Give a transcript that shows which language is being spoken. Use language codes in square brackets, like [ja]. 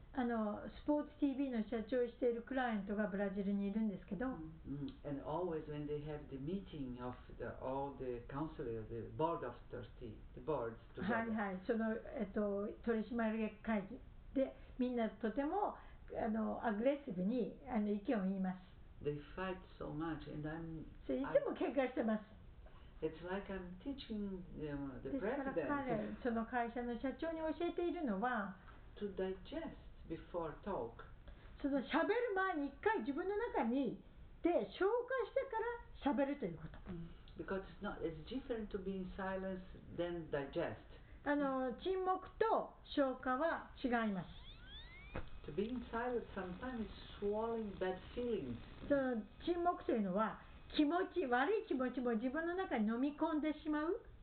[ja] あのスポーツ TV の社長をしているクライアントがブラジルにいるんですけど、 [en] And always when they have the meeting of the, all the council, the board of trustees, the boards together. [ja] はいはい、その取締会議でみんなとてもあのアグレッシブにあの意見を言います。 [en] They fight so much, and I'm. [ja] それいつも喧嘩してます。 [en] It's like I'm teaching them the president. [ja] ですから彼、その会社の社長に教えているのは、 [en] to digest before talk. [ja] その喋る前に一回自分の中にで消化してから喋るということ。 [en] Because it's not, it's different to be in silence than digest. [ja] あの沈黙と消化は違います。 [en] To be in silence sometimes swallowing bad feelings. [ja] その沈黙というのは。気持ち悪い気持ちも自分の中に飲み込んでしまう。